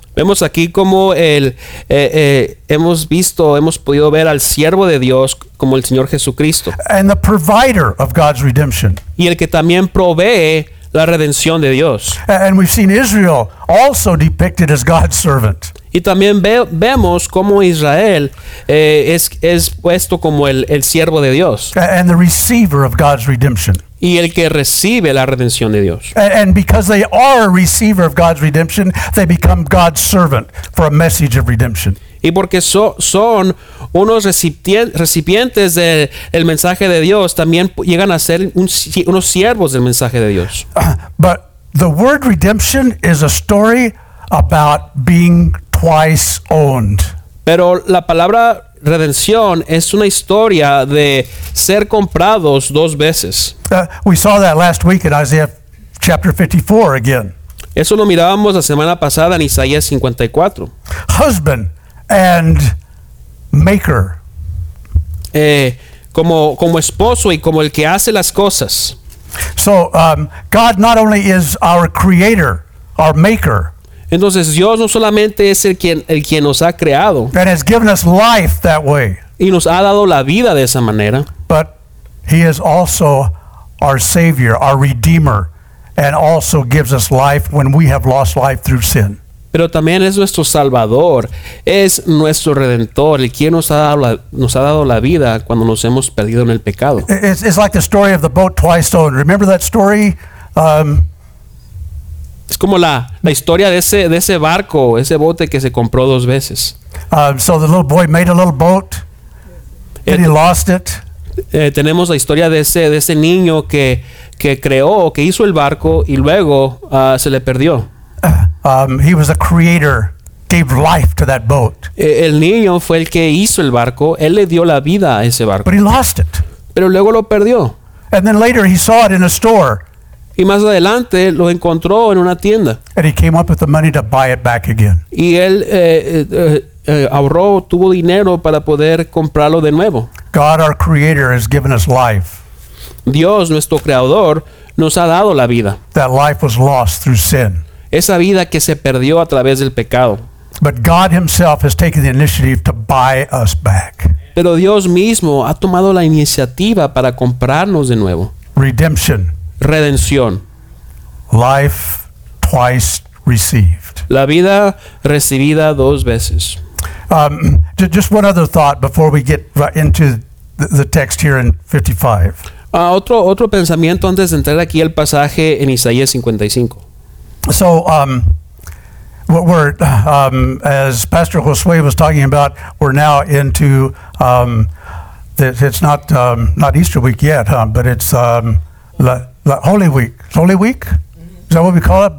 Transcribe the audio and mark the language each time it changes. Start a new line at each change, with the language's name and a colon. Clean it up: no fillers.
Spanish: Vemos aquí como hemos podido ver al siervo de Dios como el Señor Jesucristo.
English: And the provider of God's redemption.
Spanish: Y el que también provee la redención de Dios.
English: And we've seen Israel also depicted as God's servant.
Spanish: Y también vemos como Israel es puesto como el siervo de Dios.
English: And the receiver of God's redemption.
Spanish: Y el que recibe la redención de Dios.
English: And because they are a receiver of God's redemption, they become God's servant for a message of redemption.
Spanish: Y porque son unos recipientes del mensaje de Dios, también llegan a ser unos siervos del mensaje de Dios.
English: But the word redemption is a story about being twice owned.
Spanish: Pero la palabra redención es una historia de ser comprados dos veces.
English: We saw that last week in Isaiah chapter 54 again.
Spanish: Eso lo mirábamos la semana pasada en Isaías 54.
English: Husband and maker.
Spanish: Como esposo y como el que hace las cosas.
English: So God not only is our creator, our maker.
Spanish: Entonces Dios no solamente es el quien nos ha creado.
English: And has given us life that way.
Spanish: Y nos ha dado la vida de esa manera.
English: But he is also our savior, our redeemer, and also gives us life when we have lost life through sin.
Spanish: pero también es nuestro Salvador, es nuestro Redentor, el quien nos ha dado la vida cuando nos hemos perdido en el pecado.
English: It's like the story of the boat twice sold. Remember that story?
Spanish: Es como la historia de ese barco, ese bote que se compró dos veces.
English: So the little boy made a little boat, and he lost it.
Spanish: Tenemos la historia de ese niño que creó, que hizo el barco y luego se le perdió.
English: He was the creator, gave life to that boat.
Spanish: El niño fue el que hizo el barco, él le dio la vida a ese barco.
English: But he lost it.
Spanish: Pero luego lo perdió.
English: And then later he saw it in a store.
Spanish: Y más adelante lo encontró en una tienda.
English: And he came up with the money to buy it back again.
Spanish: Y él ahorró, tuvo dinero para poder comprarlo de nuevo.
English: God, our creator, has given us life.
Spanish: Dios, nuestro creador, nos ha dado la vida.
English: That life was lost through sin.
Spanish: Esa vida que se perdió a través del pecado.
English: But God himself has taken the initiative to buy us back.
Spanish: Pero Dios mismo ha tomado la iniciativa para comprarnos de nuevo.
English: Redemption.
Spanish: Redención.
English: Life twice received.
Spanish: La vida recibida dos veces.
English: Just one other thought before we get right into the text here in 55.
Spanish: Otro pensamiento antes de entrar aquí al pasaje en Isaías 55.
English: So, as Pastor Josue was talking about, we're now into it's not Easter week yet, huh? But it's Holy Week. It's Holy Week? Mm-hmm. Is that what we call it?